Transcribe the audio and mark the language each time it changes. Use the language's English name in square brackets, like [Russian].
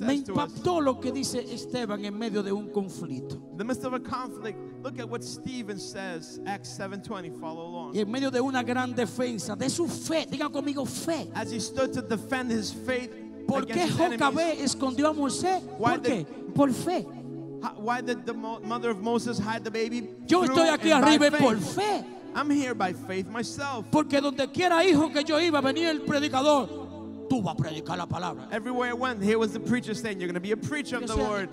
[Spanish] Me impactó lo que dice Esteban en medio de un conflicto. [English] In the midst of a conflict, look at what Stephen says. Acts 7:20. Follow along. [Spanish] Y en medio de una gran defensa de su fe, digan conmigo fe. [English] As he stood to defend his faith against his enemies. [Spanish] ¿Por qué Jocabé escondió a Moisés? ¿Por qué? Por fe. [English] Why did the mother of Moses hide the baby? [Spanish] Yo estoy aquí arriba por fe. [English] I'm here by faith myself. [Spanish] Porque donde quiera hijo que yo iba, venía el predicador. Tú vas a predicar la palabra. [English] Everywhere I went, here was the preacher saying, "You're going to be a preacher of the Lord."